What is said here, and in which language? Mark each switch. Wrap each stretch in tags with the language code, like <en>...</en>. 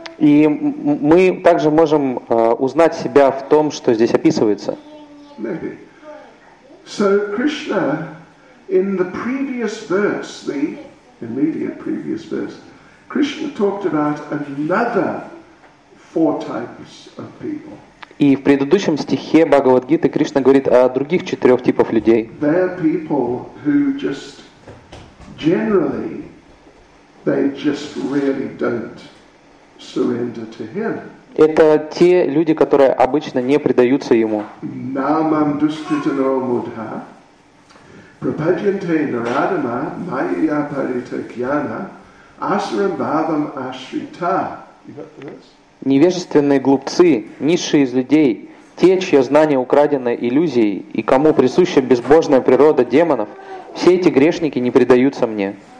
<ru>И мы также можем узнать себя в том, что здесь описывается.</ru> <en>Maybe. So Krishna in the previous verse, the immediate previous verse, Krishna talked about another four types of people.</en> <ru>И в предыдущем стихе Бхагавад-гиты Кришна говорит о других четырех типах людей.</ru> <en>They're people who just generally they just really don't surrender to him.</en> <ru>Это те люди, которые обычно не предаются ему.</ru> <sa>Намам душтитано мудха прападжанте нарадама майя паритакьяна Асрам Бхавам Ашрита.</sa> <ru>Невежественные глупцы, низшие из людей, те, чье знание украдено иллюзией, и кому присуща безбожная природа демонов, все эти грешники не предаются мне.</ru>